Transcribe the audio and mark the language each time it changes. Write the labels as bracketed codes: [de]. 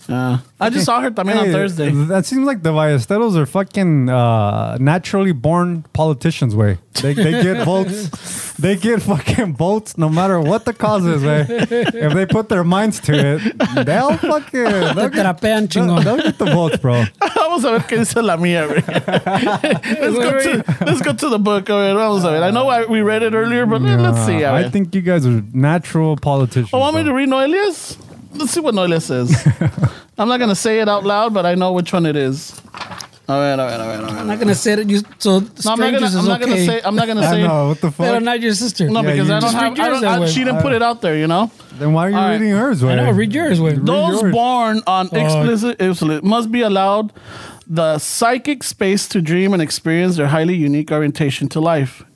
[en] Yeah. I just saw her [es] también [en] on Thursday. That seems like the Ballesteros are fucking naturally born politicians, way. They get votes. They get fucking votes no matter what the cause is, way. If they put their minds to it, they'll fucking... They'll get the votes, bro. [es] Vamos a ver qué dice la mía, güey. [en] Let's go to the book. [es] Vamos a ver. [en] I know we read it earlier, but let's see. I think you guys are natural politicians. Oh, want me to read Noelia's? Let's see what Noelia says. I'm not going to say it out loud, but I know which one it is. I'm not going to say it. Must be allowed the psychic space to dream and experience their highly unique orientation to life.